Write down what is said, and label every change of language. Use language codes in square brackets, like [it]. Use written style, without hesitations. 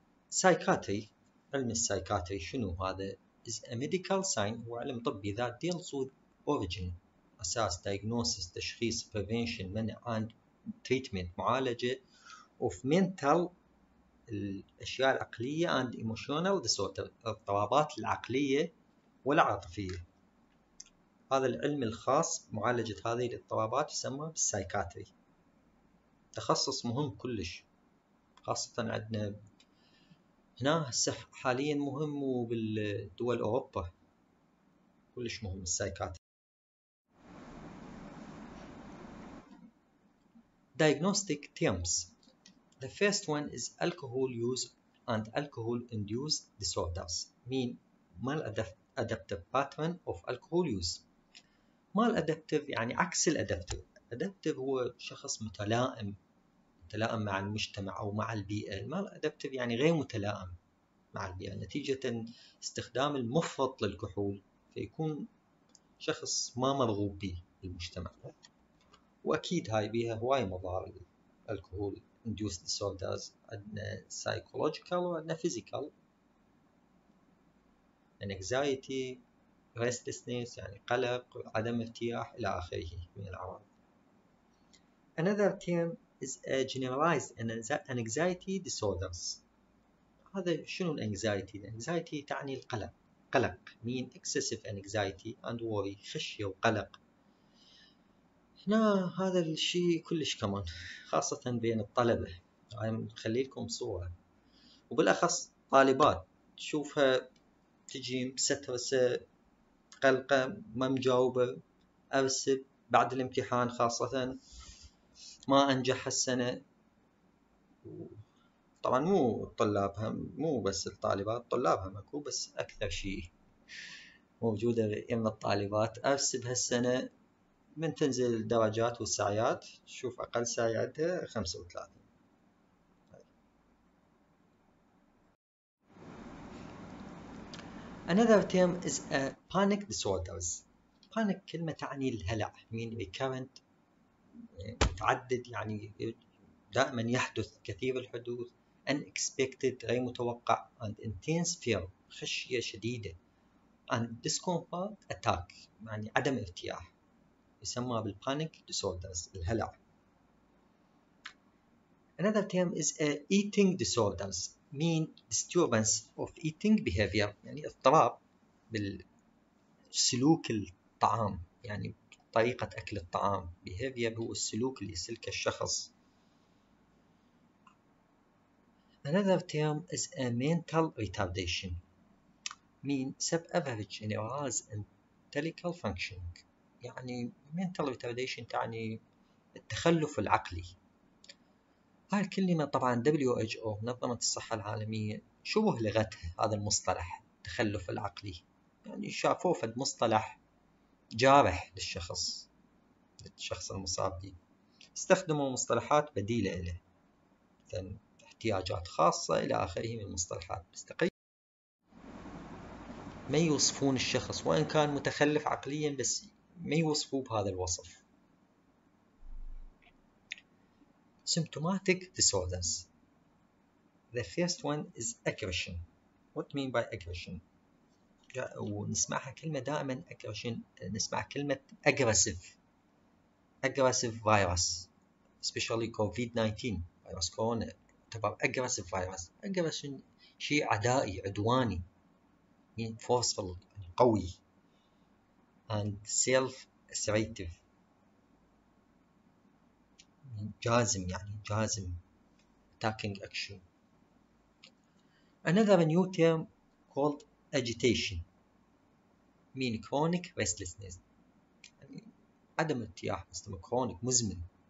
[en] Psychiatry, [ar] علم السايكاتري شنو هذا؟ [en] Is a medical science, [ar] هو علم طبي, [en] that deals with origin, أساس, diagnosis, تشخيص, prevention, منع, and treatment, معالجة, of mental, [ar] الأشياء العقلية, [en] and emotional disorder, [ar] الاضطرابات العقلية والعاطفية. هذا العلم الخاص معالجة هذه الاضطرابات يسمى بالسايكاتري. تخصص مهم كلش, خاصة عندنا هنا هسه حاليا مهم, وبالدول أوروبا كلش مهم السايكاتري. [en] Diagnostic terms. The first one is alcohol use and alcohol induced disorders, mean maladaptive pattern of alcohol use. [ar] Maladaptive يعني عكس الأدابتيف. أدابتيف هو شخص متلائم, متلائم مع المجتمع أو مع البيئة. المال أدابتيف يعني غير متلائم مع البيئة, نتيجة استخدام المفرط للكحول, فيكون شخص ما مرغوب به بالمجتمع. وأكيد هاي بيها هواي مضار الكحول [en] induced disorders, [ar] عندنا psychological وعندنا physical, [en] and anxiety, restlessness [ar] يعني قلق, عدم ارتياح إلى آخره من العوامل. [en] Another term is a generalized anxiety disorders. [ar] هذا شنو الانكزايتي؟ الانكزايتي تعني القلق, قلق, [en] mean excessive anxiety and worry, [ar] خشية وقلق. هنا هذا الشيء كلش كمان, خاصة بين الطلبة, هاي نخلي لكم صورة, وبالأخص طالبات تشوفها تجي مسترسة, قلقة, ما مجاوبة, أرسب بعد الامتحان, خاصة ما أنجح السنة. طبعا مو طلابها, مو بس الطالبات, طلابها ماكو, بس أكثر شيء موجودة إما الطالبات, أرسب هالسنة من تنزل الدرجات والسعيات, شوف أقل سعي عندها 35. [en] Another term is a panic disorders. [ar] Panic كلمة تعني الهلع, [en] mean recurrent, [ar] متعدد, يعني دائما يحدث, كثير الحدوث, unexpected, غير متوقع, [en] and intense fear, [ar] خشية شديدة, [en] And discomfort, attack, [ar] يعني عدم ارتياح. يسمى بالpanic disorders, الهلع. [en] Another term is eating disorders, mean disturbance of eating behavior, [ar] يعني اضطراب بالسلوك الطعام, يعني طريقة أكل الطعام. Behavior هو السلوك اللي يسلكه الشخص. [en] Another term is a mental retardation, mean sub-average in Iran's intellectual functioning. [ar] يعني mental retardation تعني التخلف العقلي. هاي الكلمة طبعا WHO منظمة الصحة العالمية شبه لغتها هذا المصطلح التخلف العقلي, يعني شافوه في المصطلح جارح للشخص, للشخص المصاب به. استخدموا مصطلحات بديلة له مثل احتياجات خاصة إلى آخره من المصطلحات. ما يوصفون الشخص وإن كان متخلف عقليا بس ما يوصفوه بهذا الوصف. [en] Symptomatic disorders. The first one is aggression. What mean by aggression? [ar] ونسمعها كلمة دائما aggression, نسمع كلمة aggressive. [en] Aggressive virus. Especially COVID-19 virus, corona. [ar] تبقى [en] aggressive virus. [ar] Aggression شيء عدائي, عدواني. [en] Mean forceful, قوي. And self-assertive. [ar] جازم, يعني جازم. [en] Attacking action. Another new term called agitation, mean chronic restlessness, [ar] يعني عدم ارتياح, مستمر, [en] chronic, مزمن.